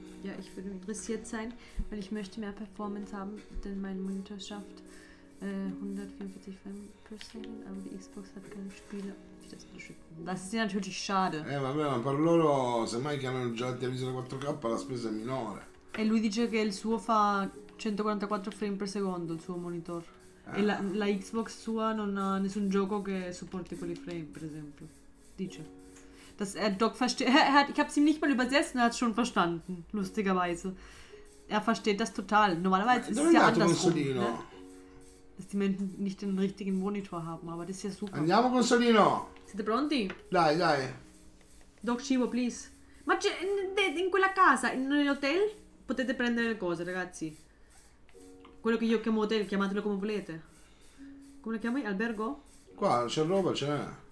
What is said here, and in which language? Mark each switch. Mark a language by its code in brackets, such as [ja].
[de] Ja, ich würde interessiert sein, weil ich möchte mehr Performance haben, denn mein Monitor schafft 144 Frames per Second, aber die Xbox hat keine Spiele. Das ist natürlich schade. [it] Vabbè, ma per loro, semmai che hanno già il televisore 4K, la spesa è minore. E lui dice che il suo fa 144 frames per secondo, il suo monitor. E la Xbox sua non ha nessun gioco che supporti quelli frame, per esempio. Dice. [de] Dass er Doc versteht. Ich habe es ihm nicht mal übersetzt, er hat es schon verstanden, lustigerweise. Er versteht das total. Normalerweise ist es ja andersrum. Ne? Dass die Menschen nicht den richtigen Monitor haben, aber das ist ja super. [it] Andiamo, Consolino! Siete pronti? Dai, dai. Doc Cibo, please. Ma in quella casa, nell'hotel, potete prendere le cose, ragazzi. Quello che io chiamo hotel, chiamatelo come volete. Come lo chiami? Albergo? Qua c'è roba, c'è.